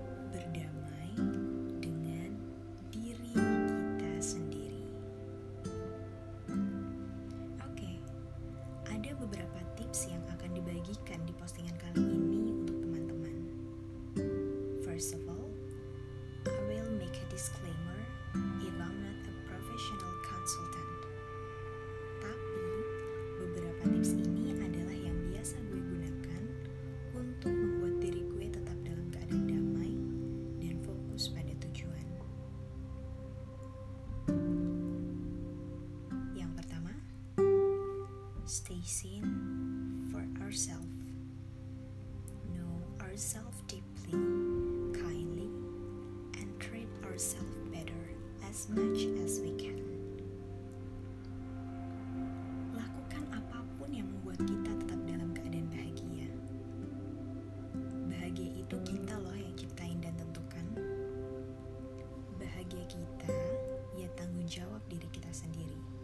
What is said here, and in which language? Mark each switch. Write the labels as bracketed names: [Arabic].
[Indonesian] Berdamai dengan diri kita sendiri. Oke, ada beberapa tips yang akan dibagikan di postingan kali ini untuk teman-teman. [English] First of all, I will make a disclaimer if I'm not a professional consultant. [Indonesian] Tapi, beberapa tips ini adalah yang biasa gue gunakan untuk membuat diri gue tetap dalam keadaan damai dan fokus pada tujuan. Yang pertama, [English] stay seen for ourselves. Know ourselves deeply, kindly, and treat ourselves better as much as we can. [Indonesian] Lakukan apapun yang membuat kita tetap dalam keadaan bahagia. Bahagia itu kita loh yang ciptain dan tentukan. Bahagia kita ya tanggung jawab diri kita sendiri.